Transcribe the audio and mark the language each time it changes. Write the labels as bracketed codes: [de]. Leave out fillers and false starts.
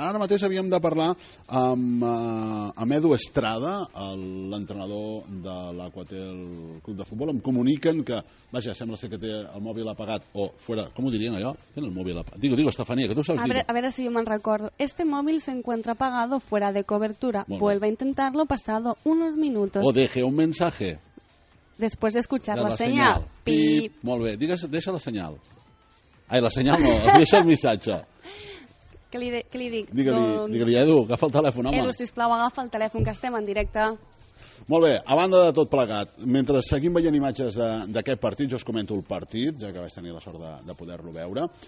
[ca] Ara mateix havíem de parlar amb Edu Estrada, l'entrenador de l'Aquatel Club de Futbol. Em comuniquen que, vaja, sembla ser que té el mòbil apagat o fuera, com ho dirien allò? Té el mòbil apagat. Digo, Estefania, que tu saps. A veure si jo me'n recordo. [es] Este mòbil se encuentra apagado fuera de cobertura. Vuelve a intentarlo pasado unos minutos. O deje un mensaje. Después de escuchar la señal. Pip. [ca] Molt bé, digues, deixa la senyal. Ai, la senyal no, deixa el missatge. Què li dic? Digue-li, Edu, agafa el telèfon, home. Edu, sisplau, agafa el telèfon, que estem en directe. Molt bé, a banda de tot plegat, mentre seguim veient imatges d'aquest partit, jo us comento el partit, ja que vaig tenir la sort de poder-lo veure.